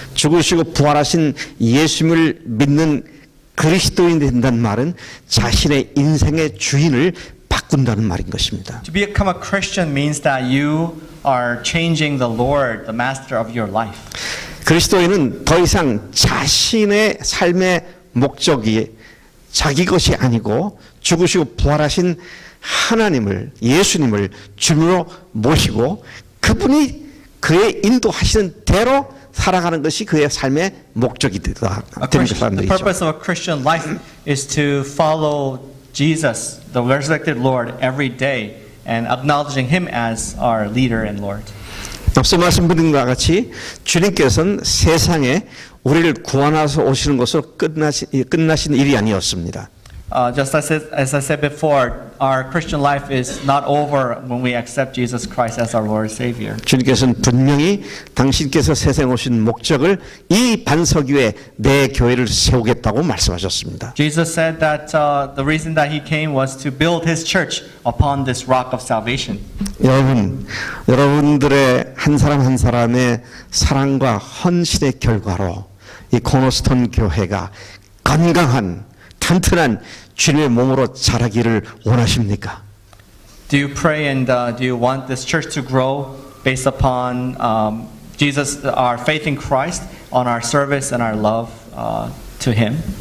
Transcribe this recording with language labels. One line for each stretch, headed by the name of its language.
Korean: 죽으시고 부활하신 예수님을 믿는 그리스도인 된다는 말은 자신의 인생의 주인을 바꾼다는 말인 것입니다.
English: To become a Christian means that you are changing the Lord, the master of your life.
Korean: 그리스도인은 더 이상 자신의 삶의 목적이 자기 것이 아니고 죽으시고 부활하신 하나님을 예수님을 주님으로 모시고 그분이 그의 인도하시는 대로 살아가는 것이 그의 삶의 목적이 되다.
English: The purpose of a Christian life is to follow Jesus, the resurrected Lord, every day and acknowledging Him as our leader and Lord.
Korean: 앞서 말씀드린 것과 같이 주님께서는 세상에 우리를 구원하여 오시는 것으로 끝나신 일이 아니었습니다.
English: Just as I said before, our Christian life is not over when we accept Jesus Christ as our Lord and Savior.
Korean: 주님께서는 분명히 당신께서 세상에 오신 목적을 이 반석 위에 내 교회를 세우겠다고 말씀하셨습니다.
English: Jesus said that the reason that he came was to build his church upon this rock of salvation.
Korean: 여러분들의 한 사람 한 사람의 사랑과 헌신의 결과로 이 코너스톤 교회가 건강한 튼튼한 주님의 몸으로 자라기를 원하십니까?
English: Do you pray and do you want this church to grow based upon Jesus, our faith in Christ, on our service and our love to Him?